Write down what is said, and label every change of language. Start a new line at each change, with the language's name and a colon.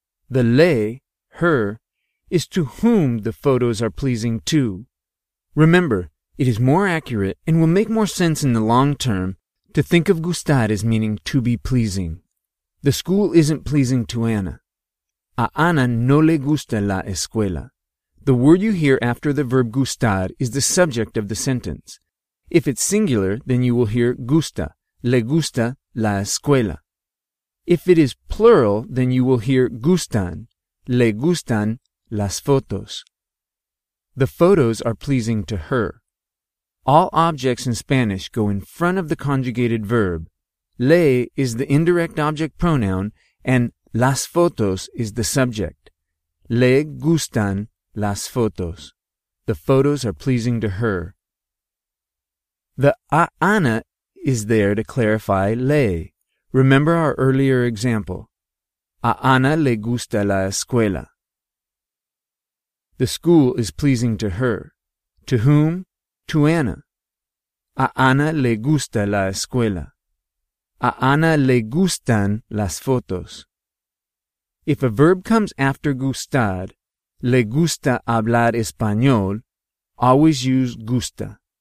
English: The le, her, is to whom the photos are pleasing to. Remember, it is more accurate and will make more sense in the long term to think of gustar as meaning to be pleasing. The school isn't pleasing to Ana.
Spanish: A Ana no le gusta la escuela.
English: The word you hear after the verb gustar is the subject of the sentence. If it's singular, then you will hear gusta,
Spanish: le gusta la escuela.
English: If it is plural, then you will hear gustan,
Spanish: le gustan las fotos.
English: The photos are pleasing to her. All objects in Spanish go in front of the conjugated verb. Le is the indirect object pronoun and las fotos is the subject.
Spanish: Le gustan las fotos.
English: The photos are pleasing to her. The a Ana is there to clarify le. Remember our earlier example.
Spanish: A Ana le gusta la escuela.
English: The school is pleasing to her. To whom? To Ana.
Spanish: A Ana le gusta la escuela. A Ana le gustan las fotos.
English: If a verb comes after gustar,
Spanish: le gusta hablar español,
English: always use gusta.